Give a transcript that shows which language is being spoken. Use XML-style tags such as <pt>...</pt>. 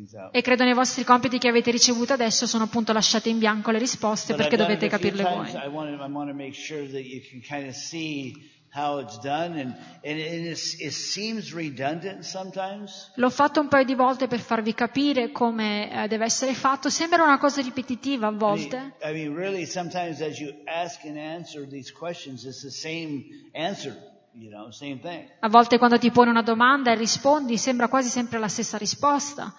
<it>E credo nei vostri compiti che avete ricevuto adesso sono appunto lasciate in bianco le risposte,</it> <en>but</en> <it>perché dovete capirle voi.</it> <en>I want to make sure that you can kind of see how it's done, and it seems redundant sometimes.</en> <it>L'ho fatto un paio di volte per farvi capire come deve essere fatto. Sembra una cosa ripetitiva a volte.</it> <en>I mean, really, sometimes as you ask and answer these questions, it's the same answer, you know, same thing.</en> <it>A volte quando ti pone una domanda e rispondi, sembra quasi sempre la stessa risposta.</it>